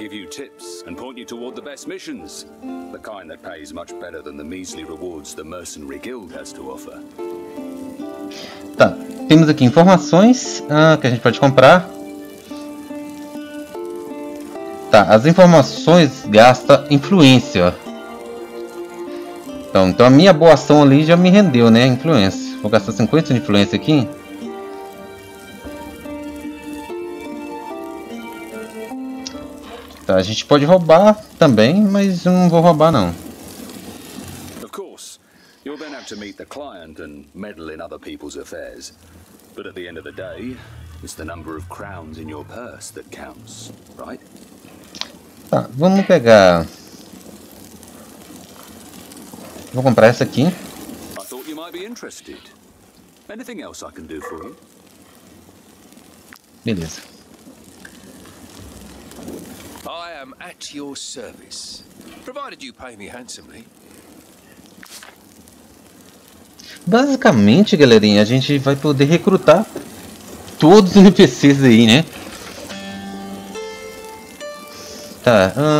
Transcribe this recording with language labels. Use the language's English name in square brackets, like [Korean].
[English] Tips and point you toward the best missions, the kind that pays much better than the measly rewards the mercenary guild has to offer. [Portuguese] Tá, temos aqui informações que a gente pode comprar. Tá, as informações gasta influência. Então a minha boa ação ali já me rendeu, né, influência. Vou gastar 50 de influência aqui. A gente pode roubar também, mas não vou roubar não. [English] Of course, you'll then have to meet the client and meddle in other people's affairs. But at the end of the day, it's the number of crowns in your purse that counts, right? [Portuguese] Tá, vamos pegar. Vou comprar essa aqui. [English] I thought you might be interested. Anything else I can do for you? [Portuguese] Beleza. [English] I am at your service, provided you pay me handsomely. [Portuguese] Basicamente, galerinha, a gente vai poder recrutar todos os NPCs aí, né? Tá.